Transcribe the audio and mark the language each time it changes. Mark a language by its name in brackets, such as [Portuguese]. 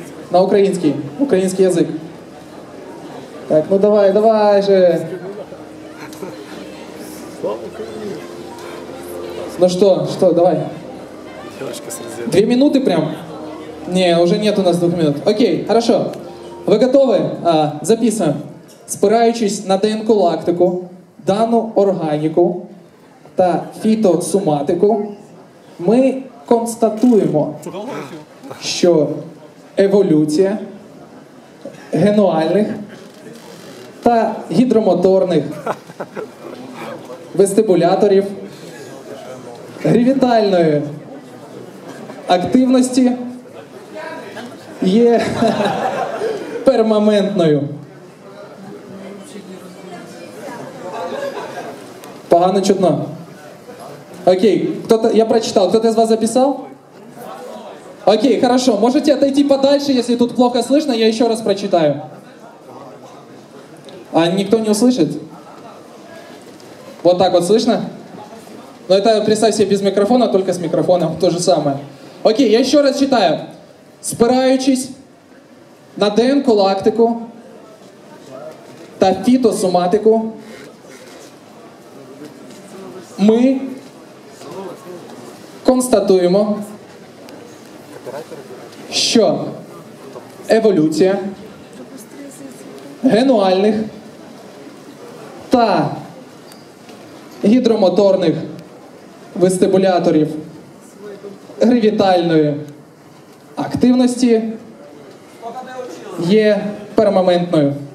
[Russian] На украинский. Украинский язык. Так, ну давай, давай же. Ну что, что, давай. Две минуты прям. Не, уже нет у нас двух минут. Окей, хорошо. [Ukrainian] Ви готові? Записуємо. Спираючись на ДНК-лактику, дану органіку та фітосоматику, ми констатуємо, що еволюція генуальних та гідромоторних вестибуляторів гравітальної активності є перманентною. Погано чутно. [Russian] Окей, кто-то, я прочитал, кто-то из вас записал? Окей, хорошо, можете отойти подальше, если тут плохо слышно, я еще раз прочитаю. А никто не услышит? Вот так вот слышно? Ну это, представь себе, без микрофона, только с микрофоном, то же самое. Окей, я еще раз читаю. [Ukrainian] Спираючись на ДНК-лактику та фітосоматику, ми констатуємо, що еволюція генуальних та гідромоторних вестибуляторів гравітальної активності є перманентною.